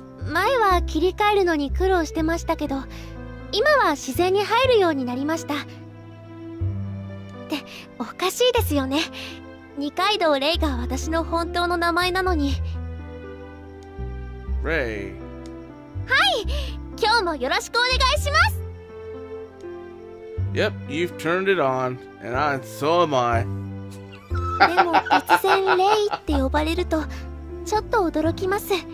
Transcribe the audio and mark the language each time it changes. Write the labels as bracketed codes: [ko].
[ja] 前は切り替えるのに苦労してましたけど、今は自然に入るようになりました。って、おかしいですよね。二階堂レイが私の本当の名前なのに。レイ。はい、今日もよろしくお願いします。 [en] Yep, you've turned it on, and I, so am I. [ja] でも、突然レイって呼ばれると、ちょっと驚きます。